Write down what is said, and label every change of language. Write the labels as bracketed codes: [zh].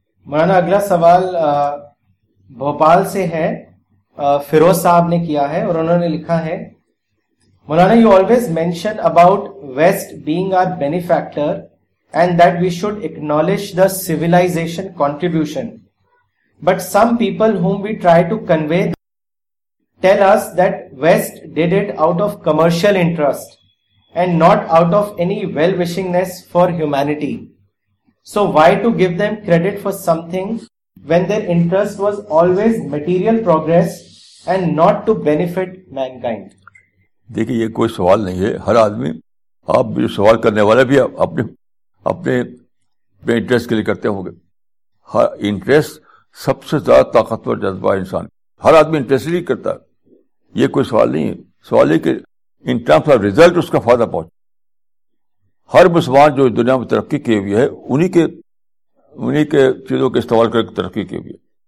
[ur] مولانا اگلا سوال بھوپال سے ہے, فیروز صاحب نے کیا ہے, اور انہوں نے لکھا ہے مولانا [en] You always mention about West being our benefactor and that we should acknowledge the civilisation contribution, But some people whom we try to convey tell us that West did it out of commercial interest and not out of any well-wishingness for humanity. So why to give them credit for something when their interest was always material progress and not to benefit mankind? [ur] دیکھیے یہ کوئی سوال نہیں ہے. ہر آدمی آپ جو سوال کرنے والے بھی اپنے اپنے اپنے انٹرسٹ کے لیے کرتے ہوں گے. ہر انٹرسٹ سب سے زیادہ طاقتور جذبہ انسان ہر آدمی انٹرسٹ ہی کرتا ہے. یہ کوئی سوال نہیں ہے. سوال یہ کہ ان ٹرمس آف ریزلٹ اس کا فائدہ پہنچ. ہر مسلمان جو دنیا میں ترقی کی ہوئی ہے انہیں کے چیزوں کے استعمال کر کے ترقی کی ہوئی ہے.